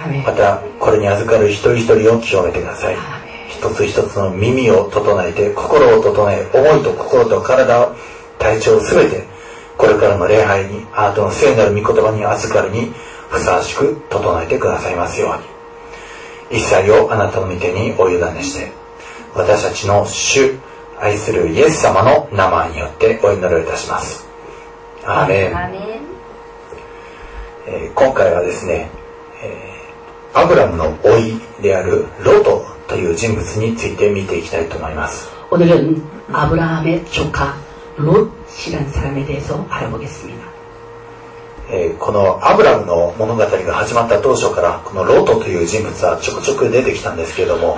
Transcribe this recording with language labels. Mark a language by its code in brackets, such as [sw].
[ja] またこれに預かる一人一人を清めてください。一つ一つの耳を整えて、心を整え、思いと心と体を体調すべてこれからの礼拝にあなたの聖なる御言葉に預かるにふさわしく整えてくださいますように、一切をあなたの御手にお委ねして、私たちの主愛するイエス様の名前によってお祈りいたします。アーメン。今回はですね、アブラムの甥であるロトという人物について見ていきたいと思います。 [ko] 오늘은아브라함의조카롯이라는사람에대해서알아보겠습니다 [ja] このアブラムの物語が始まった当初からこのロトという人物はちょくちょく出てきたんですけれども、